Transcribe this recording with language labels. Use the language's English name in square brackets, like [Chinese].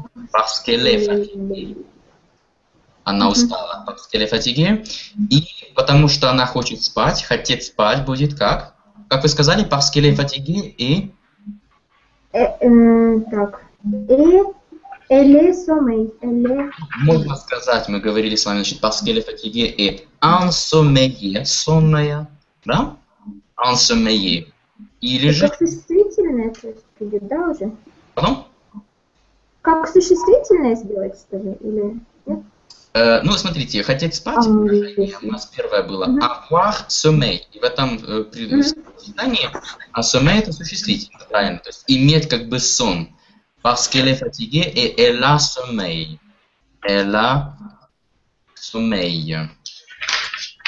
[French] Parce qu'elle est fatiguée. [Russian] Она устала. [French] Parce qu'elle est fatiguée. [Russian] И потому что она хочет спать. Хотеть спать будет как? Как вы сказали, [French] parce qu'elle est fatiguée [Russian] и... Так. И... [French] Elle est sommeillée. [Russian] Можно сказать, мы говорили с вами, значит, [French] parce qu'elle est fatiguée et ensommeillée, [Russian] сонная, да? Ensommeillée. Или же... Как существительное сделать, да, уже? [French] Pardon? [Russian] Как существительное сделать, скажи, или нет? Ну, смотрите, хотеть спать, у нас первое было [French] avoir sommeil. [Russian] И в этом предупреждении sommeil – это существительное, правильно? То есть иметь как бы сон. [French] Parce qu'elle est fatiguée et elle a sommeil. Elle a sommeil. Je...